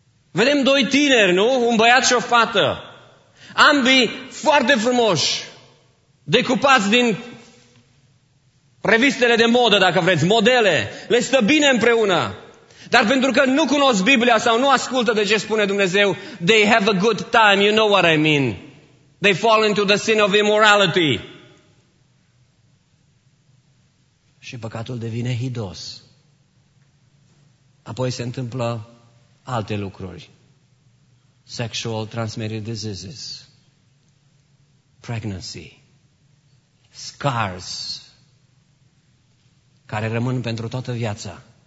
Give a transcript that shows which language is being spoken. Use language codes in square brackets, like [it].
[ro] Vedem doi tineri, nu? Un băiat și o fată. Ambii foarte frumoși, decupați din revistele de modă, dacă vreți, modele. Le stă bine împreună. Dar pentru că nu cunosc Biblia sau nu ascultă de ce spune Dumnezeu, [en] they have a good time, you know what I mean. They fall into the sin of immorality. [ro] Și păcatul devine hidos. Apoi se întâmplă alte lucruri. [en] Sexual transmitted diseases. Pregnancy. [ro] Scars. Care rămân pentru toată viața.